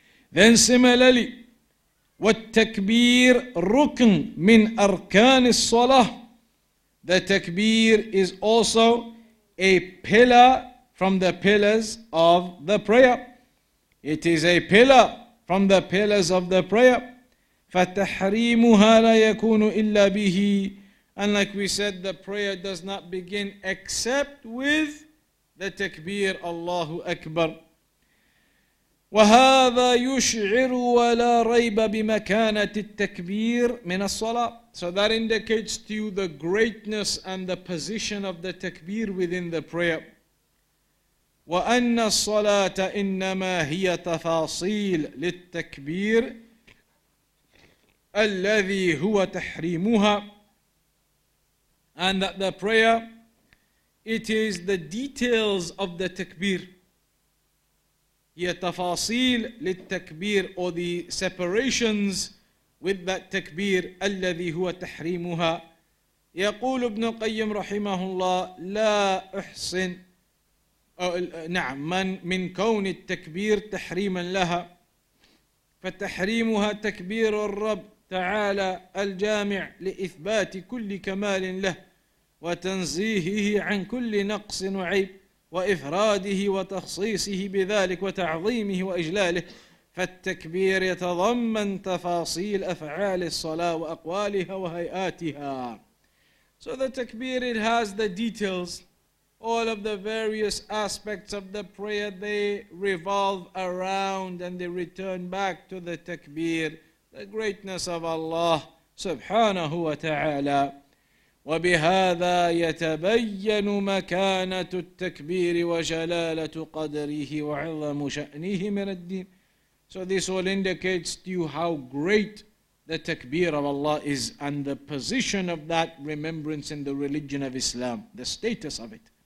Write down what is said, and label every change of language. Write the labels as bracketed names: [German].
[English] Then similarly, [Arabic] وَالتَّكْبِيرُ رُكْنٌ مِنْ أَرْكَانِ الصَّلَةِ. [English] The takbir is also a pillar from the pillars of the prayer. It is a pillar from the pillars of the prayer. [Arabic] فَتَحْرِيمُهَا لَا يَكُونُ إِلَّا بِهِ. [English] And like we said, the prayer does not begin except with [Arabic] لتكبير الله أكبر. وهذا يشعر ولا ريب بمكانة التكبير من الصلاة. [English] So that indicates to you the greatness and the position of the takbir within the prayer. [Arabic] وأن الصلاة إنما هي تفاصيل للتكبير الذي هو تحريمها. [English] And that the prayer, it is the details of the takbir. [Arabic] هي تفاصيل للتكبير, [English] or the separations with that takbir, [Arabic] الذي هو تحريمها. يقول ابن قيم رحمه الله لا أحسن نعم من كون التكبير تحريما لها. فتحريمها تكبير الرب تعالى الجامع لإثبات كل كمال له وتنزيهه عن كل نقص وعيب وإفراده وتخصيصه بذلك وتعظيمه وإجلاله. فالتكبير يتضمن تفاصيل أفعال الصلاة وأقوالها وهيئاتها. [English] So the takbir, it has the details. All of the various aspects of the prayer, they revolve around and they return back to the takbir, the greatness of Allah subhanahu wa ta'ala. [Arabic] وبهذا يتبين مكانة التكبير وجلالة قدره وعظم شأنه من الدين. [English] So this all indicates to you how great the takbir of Allah is and the position of that remembrance in the religion of Islam, the status of it.